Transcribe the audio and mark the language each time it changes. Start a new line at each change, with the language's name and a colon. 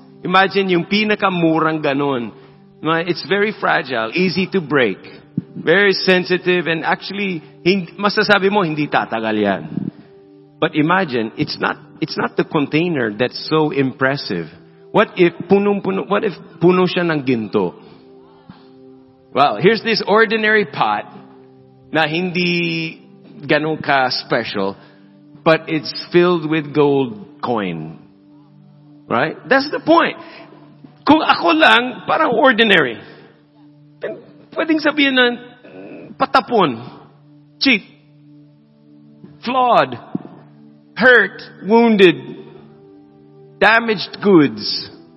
Filipino: Imagine yung pinakamurang ganun.
English: It's very fragile, easy to break. Very sensitive, and actually,
Filipino: masasabi mo, hindi tatagal yan.
English: But imagine, it's not the container that's so impressive. What if
Filipino: puno siya ng ginto?
English: Well, here's this ordinary pot
Filipino: na hindi ganun ka
English: special, but it's filled with gold coin. Right? That's the point.
Filipino: Kung ako lang, parang ordinary. Pwedeng sabihin na patapon,
English: cheat, flawed, hurt, wounded, damaged goods.